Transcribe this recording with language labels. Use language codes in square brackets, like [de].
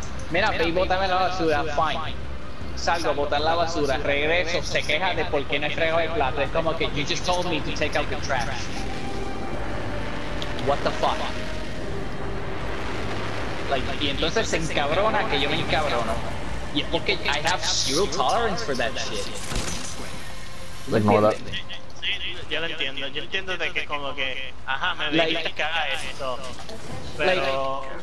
[es] Mira, ve y bótame la basura, fine. Salgo a botar la basura, regreso, se queja de por qué no he fregado el plato. Es como que, [en] you just told me to take out the trash. What the fuck? Like, [es] y entonces se encabrona que yo me encabrono. Y es porque [en] I have zero tolerance for that shit. Ignore that. [es] Yo entiendo de que como que, ajá, me ve like, y caga esto, pero...